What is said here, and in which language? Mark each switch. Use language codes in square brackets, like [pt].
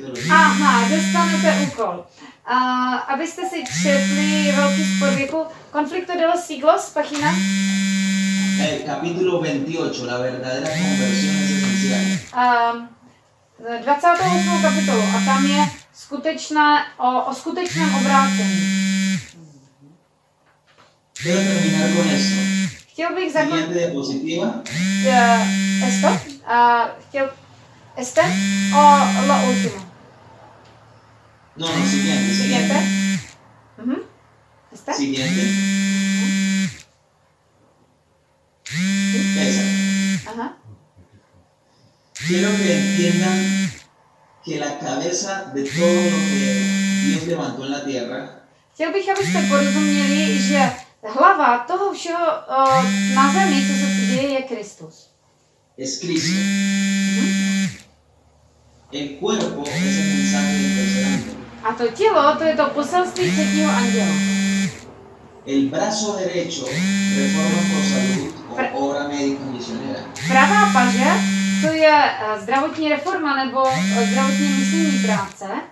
[cs] Aha, dostanete úkol. Abyste si četli velký spor věku. [es] Conflicto de los siglos, página? El capítulo 28, la verdadera conversión es esencial. 28. [cs] kapitolu a tam je skutečná, o skutečném obrácení. [es] Quiero terminar con esto. [cs] Chtěl bych zakončit. [es] Siguiente diapositiva. Esto. Chtěl... Este. O lo último. No, no, siguiente. Siguiente. Este. Siguiente. Quiero que entiendan que la cabeza de todo lo que Dios levantó en la tierra. [cs] Chtěl bych, abyste porozuměli, že hlava toho všeho na zemi, co se děje, je Kristus. [es] Es Cristo. El cuerpo es el mensaje del tercer ángel. [cs] A to tělo, to je to poselství třetího anděla. [es] El brazo derecho reforma por salud. Obra médica misionera. [cs] Pravá paže, to je zdravotní reforma nebo zdravotní misijní práce.